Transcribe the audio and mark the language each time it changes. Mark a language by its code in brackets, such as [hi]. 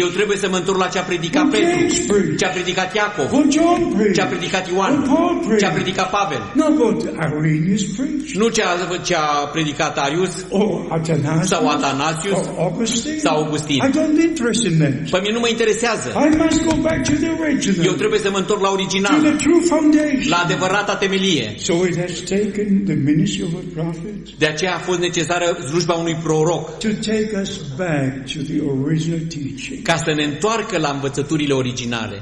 [ro] Eu trebuie să mă întorc la ce a predicat Petru, ce a predicat Iacov, ce a predicat Ioan, ce a predicat Pavel. [en] Not what Arius preached. [ro] Nu ce a predicat Arius sau Atanasius sau Augustin. [en] I don't interest in that. [ro] Pe mine nu mă interesează. [en] I must go back to the original. [ro] Eu trebuie să mă întorc la original, [en] to the true foundation. [ro] La adevărata temelie. [en] So it has taken the ministry of a prophet. [ro] De aceea a fost necesară slujba unui proroc, [en] to take us back to the original teaching. [ro] Ca să ne întoarcă la învățăturile originale.